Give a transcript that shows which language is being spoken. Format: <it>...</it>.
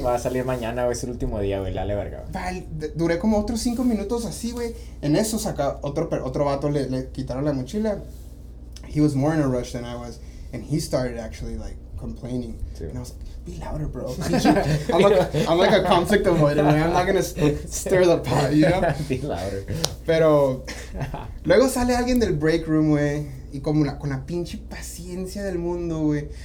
<es>va a salir mañana, güey, es el último día, güey, dale, verga. Duré como otros 5 minutos así, güey. En eso saca otro vato, le quitaron la mochila.</es> <en>He was more in a rush than I was. And he started actually, like, complaining.</en> <es>Sí.</es> <en>And I was like, be louder, bro. I'm like a conflict avoider, man. I'm not gonna stir the pot, you know? Be louder.</en> <es>Pero luego sale alguien del break room, güey, y como con la pinche paciencia del mundo, güey.</es>